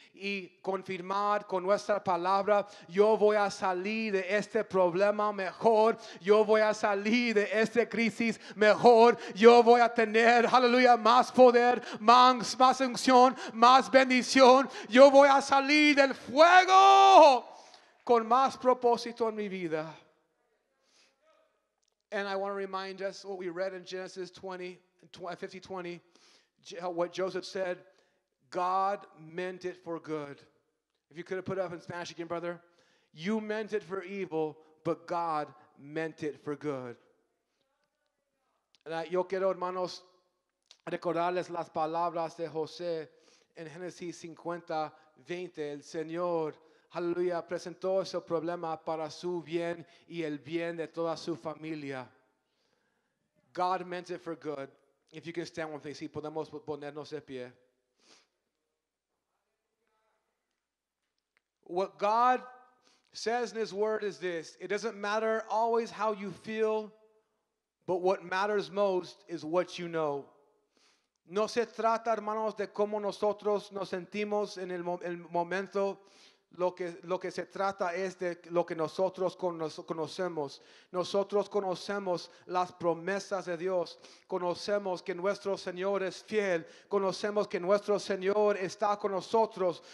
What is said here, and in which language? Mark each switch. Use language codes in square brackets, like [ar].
[es] y confirmar con nuestra palabra: yo voy a salir de este problema mejor, yo voy a salir de esta crisis mejor, yo voy a tener, aleluya, más poder, más unción, más bendición, yo voy a salir del fuego con más propósito en mi vida. [en] And I want to remind us what we read in Genesis 50:20, what Joseph said: God meant it for good. If you could have put it up in Spanish again, brother. You meant it for evil, but God meant it for good. [es] Yo quiero, hermanos, recordarles las palabras de José en Génesis 50:20. El Señor, aleluya, presentó ese problema para su bien y el bien de toda su familia. [en] God meant it for good. If you can stand with me, [es] si podemos ponernos de pie. [en] What God says in his word is this: it doesn't matter always how you feel, but what matters most is what you know. [es] No se trata, hermanos, de cómo nosotros nos sentimos en el momento. Lo que se trata es de lo que nosotros conocemos. Nosotros conocemos las promesas de Dios. Conocemos que nuestro Señor es fiel. Conocemos que nuestro Señor está con nosotros.